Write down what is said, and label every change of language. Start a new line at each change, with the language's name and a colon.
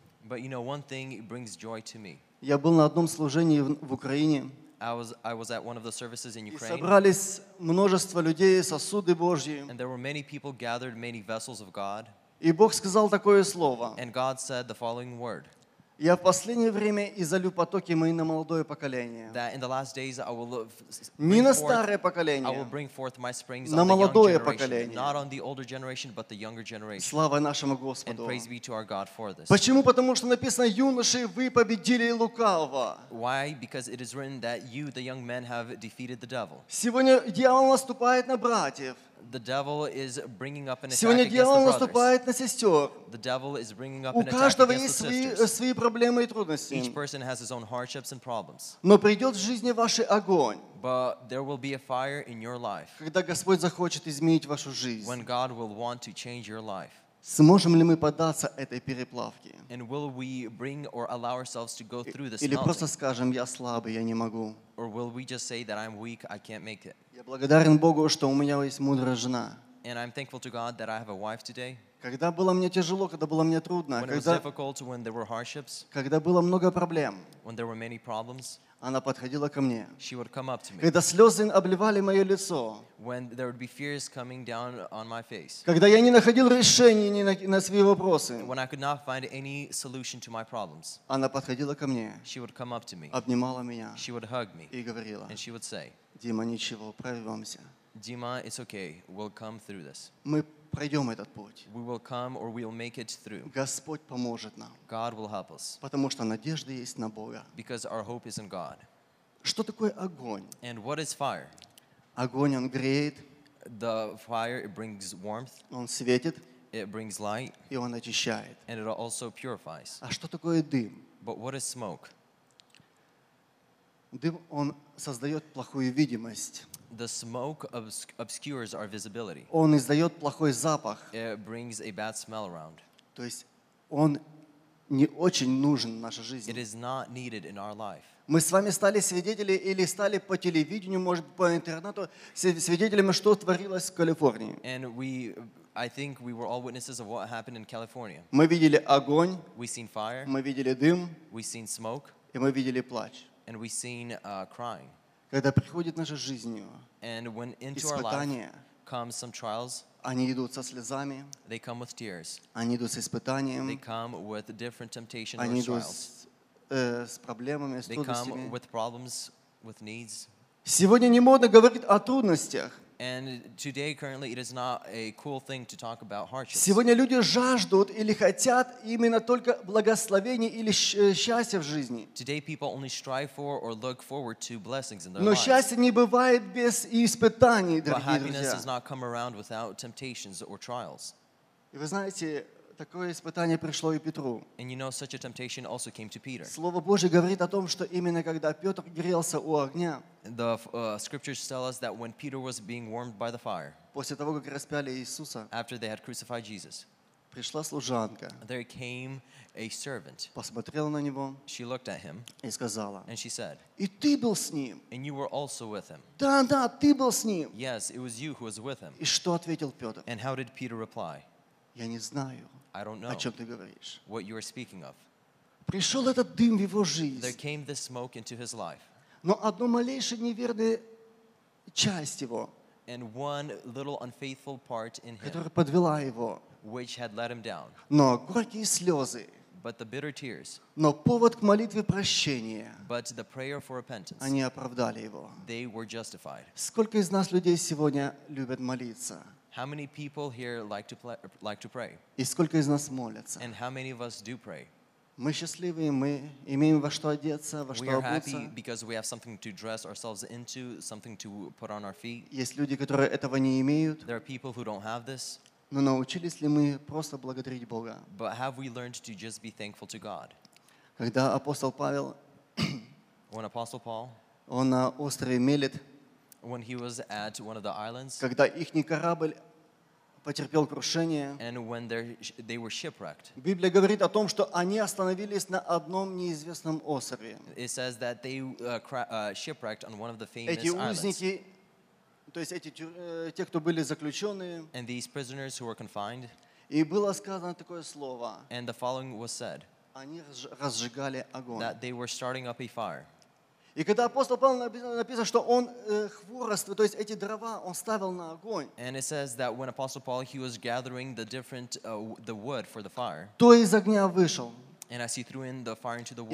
English: But you know, one thing brings joy to me.
Russian: Я был на одном служении в Украине.
English: I was at one of the services in Ukraine.
Russian: И собрались множество людей, сосуды Божьи.
English: And there were many people gathered, many vessels of God.
Russian: И Бог сказал такое слово.
English: And God said the following word.
Russian: Я в последнее время изолю потоки мои на молодое поколение.
English: That in the last days I will
Russian: не на старое поколение.
English: I will bring forth my springs
Russian: на молодое поколение.
English: Not on the older generation, but the younger generation.
Russian: Слава нашему Господу.
English: And praise be to our God for this.
Russian: Почему? Потому что написано, юноши, вы победили лукавого.
English: Why? Because it is written that you, the young men, have defeated the devil.
Russian: Сегодня дьявол наступает на братьев.
English: The devil is bringing up an attack against the brothers. The devil is bringing up an attack against the sisters. Each person has his own hardships and problems.
Russian: Но придет в жизни вашей огонь.
English: But there will be a fire in your life.
Russian: Когда Господь захочет изменить вашу жизнь.
English: When God will want to change your life.
Russian: Сможем ли мы поддаться этой переплавке?
English: And will we bring or allow ourselves to go through this?
Russian: Или просто скажем, я слабый, я не могу.
English: Or will we just say that I'm weak, I can't make it?
Russian: Я благодарен Богу, что у меня есть мудрая жена.
English: And I'm thankful to God that I have a wife today.
Russian: Когда было мне тяжело, когда было мне трудно,
English: when it was difficult, when there were hardships,
Russian: когда было много проблем,
English: when there were many problems,
Russian: она подходила ко мне.
English: She would come up to me.
Russian: Когда слезы обливали мое лицо,
English: when there would be fears coming down on my face,
Russian: когда я не находил решений на свои вопросы,
English: when I could not find any solution to my problems,
Russian: она подходила ко мне,
English: she would come up to me,
Russian: обнимала меня,
English: she would hug me,
Russian: и говорила,
English: and she would say,
Russian: Дима, ничего, прорвемся.
English: Dima, it's okay. We'll come through this.
Russian: Мы пройдем этот путь.
English: We will come or we'll make it through.
Russian: Господь поможет нам.
English: God will help us.
Russian: Потому что надежда есть на Бога.
English: Because our hope is in God.
Russian: Что такое огонь?
English: And what is fire?
Russian: Огонь, он греет.
English: The fire, it brings warmth.
Russian: Он светит.
English: It brings light.
Russian: И он очищает.
English: And it also purifies.
Russian: А что такое дым?
English: But what is smoke?
Russian: Дым, он создает плохую видимость.
English: The smoke obscures our visibility.
Russian: Он издает плохой запах.
English: It brings a bad smell around.
Russian: То есть он не очень нужен в нашей жизни.
English: It is not needed in our life.
Russian: Мы с вами стали свидетели или стали по телевидению, может, по интернету, свидетелями, что творилось в Калифорнии.
English: And I think we were all witnesses of what happened in California.
Russian: Мы видели огонь.
English: We seen fire.
Russian: Мы видели дым.
English: We seen smoke.
Russian: И мы видели плач.
English: And we seen crying.
Russian: Когда приходит наша жизнь,
English: and when into
Russian: испытания,
English: our life comes some trials,
Russian: они идут со слезами,
English: they come with tears,
Russian: они идут с испытанием,
English: they come with different temptations,
Russian: они идут
English: trials,
Russian: с проблемами, с
English: they
Russian: трудностями.
English: Come with problems, with needs.
Russian: Сегодня не модно говорить о трудностях.
English: And today, currently, it is not a cool thing to talk about hardships.
Russian: Сегодня люди жаждут или хотят именно только благословений или счастья в жизни.
English: Today, people only strive for or look forward to blessings in their
Russian: Но
English: lives.
Russian: Но счастье не бывает без испытаний, дорогие
English: But happiness
Russian: друзья.
English: Does not come around without temptations or trials.
Russian: И вы знаете, такое испытание пришло и Петру.
English: And you know, such a temptation also came to Peter.
Russian: Слово Божье говорит о том, что именно когда Петр грелся у огня,
English: the scriptures tell us that when Peter was being warmed by the fire,
Russian: после того, как распяли Иисуса,
English: after they had crucified Jesus,
Russian: пришла служанка,
English: there came a servant,
Russian: посмотрела на него,
English: she looked at him,
Russian: и сказала,
English: and she said,
Russian: и ты был с ним.
English: And you were also with him.
Russian: Да, да, ты был с ним.
English: Yes, it was you who was with him.
Russian: И что ответил Петр?
English: And how did Peter reply?
Russian: Я не знаю.
English: I don't know what you are speaking of.
Russian: Пришел этот дым в его жизнь.
English: There came this smoke into his life.
Russian: Но одно малейшее неверное часть его,
English: and one little unfaithful part in him,
Russian: которая подвела его,
English: which had let him down.
Russian: Но горькие слезы,
English: but the bitter tears,
Russian: но повод к молитве прощения,
English: but the prayer for repentance,
Russian: они оправдали его.
English: They were justified.
Russian: Сколько из нас людей сегодня любят молиться?
English: How many people here like to pray?
Russian: И сколько из нас молятся?
English: And how many of us do pray?
Russian: Мы счастливы, мы имеем во что одеться, во что обуться.
English: We are happy because we have something to dress ourselves into, something to put on our feet.
Russian: Есть люди, которые этого не имеют.
English: There are people who don't have this.
Russian: Но научились ли мы просто благодарить Бога?
English: But have we learned to just be thankful to God?
Russian: Когда апостол Павел,
English: when Apostle Paul,
Russian: он на острове Мелит,
English: when he was at one of the islands,
Russian: когда ихний корабль потерпел крушение,
English: and when they were shipwrecked,
Russian: Библия говорит о том, что они остановились на одном неизвестном острове.
English: It says that they shipwrecked on one of the famous islands.
Russian: Эти узники,
English: islands,
Russian: то есть эти те, кто были заключенные,
English: and these prisoners who were confined,
Russian: и было сказано такое слово,
English: and the following was said,
Russian: они разжигали огонь,
English: that they were starting up a fire.
Russian: И когда апостол Павел написано, что он хворост, то есть эти дрова он ставил на огонь.
English: And it says that when Apostle Paul, he was gathering the different, the wood for the fire.
Russian: То из огня вышел.
English: And as he threw in the fire into the wood.